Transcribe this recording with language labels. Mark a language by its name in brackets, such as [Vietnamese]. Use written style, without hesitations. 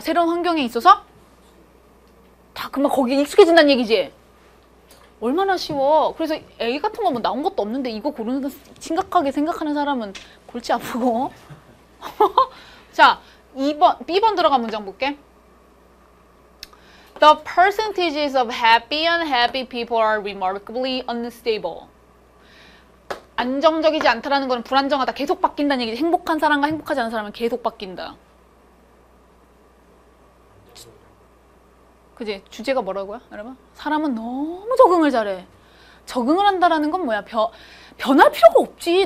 [Korean] 새로운 환경에 있어서? 다 금방 거기에 익숙해진다는 얘기지. 얼마나 쉬워. 그래서 A 같은 거 뭐 나온 것도 없는데 이거 고르는 심각하게 생각하는 사람은 골치 아프고. 자, 2번, B번 들어간 문장 볼게. [English] The percentages of happy and unhappy people are remarkably unstable. [Korean] 안정적이지 않다라는 건 불안정하다. 계속 바뀐다는 얘기지. 행복한 사람과 행복하지 않은 사람은 계속 바뀐다. 그지? 주제가 뭐라고요? 여러분? 사람은 너무 적응을 잘해. 적응을 한다라는 건 뭐야? 변할 필요가 없지.